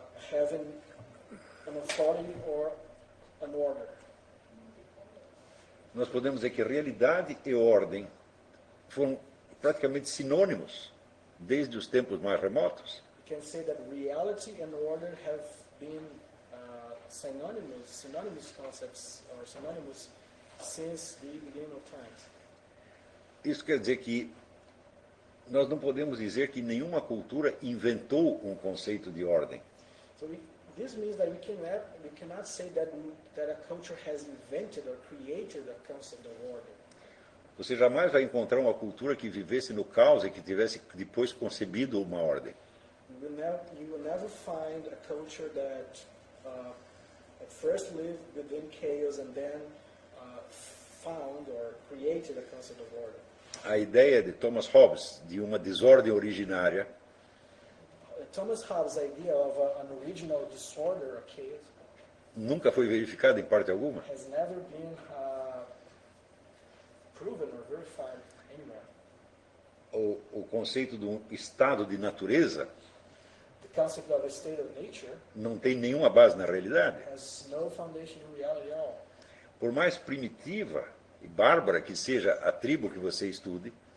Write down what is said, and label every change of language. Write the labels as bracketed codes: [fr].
[en] having an authority or an order. [pt] Nós podemos dizer que realidade e ordem foram praticamente sinônimos desde os tempos mais remotos. [en] We can say that reality and order have been synonymous concepts or synonymous since the beginning of times. [pt] Isso quer dizer que nós não podemos dizer que nenhuma cultura inventou um conceito de ordem. [en] So this means that we cannot say that a culture has invented or created a concept of order. [pt] Você jamais vai encontrar uma cultura que vivesse no caos e que tivesse depois concebido uma ordem. [en] You will never find a culture that at first lived within chaos and then found or created a concept of order. [pt] A ideia de Thomas Hobbes de uma desordem originária. [en] Thomas Hobbes' idea of an original disorder or chaos [pt] nunca foi verificada em parte alguma. [en] Has never been proven or verified anymore. [pt] O conceito de um estado de natureza. [en] The concept of a state of nature [pt] não tem nenhuma base na realidade. [en] Has no foundation in reality at all. [pt] Por mais primitiva e bárbara que seja a tribo que você estude,